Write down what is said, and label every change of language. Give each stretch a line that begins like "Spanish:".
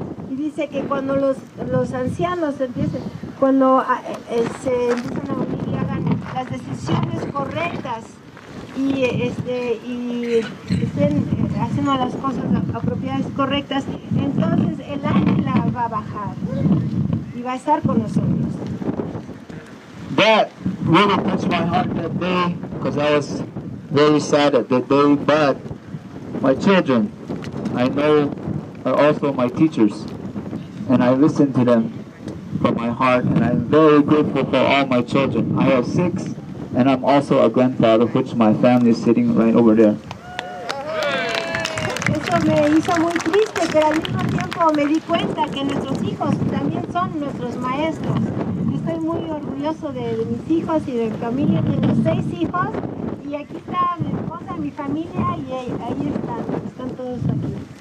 Spanish: Y dice que cuando los ancianos se empiezan a unir y hagan las decisiones correctas y estén haciendo las cosas apropiadas y correctas, entonces el águila va a bajar y va a estar con nosotros.
English: That really touched my heart that day, because I was very sad at that day, but my children, I know, are also my teachers, and I listen to them from my heart, and I'm very grateful for all my children. I have 6, and I'm also a grandfather, which my family is sitting right over there.
Spanish: Eso me hizo muy triste, pero al mismo tiempo me di cuenta que nuestros hijos también son nuestros maestros. Estoy muy orgulloso de mis hijos y de mi familia. Tengo 6 hijos y aquí está mi esposa, mi familia y ahí están todos aquí.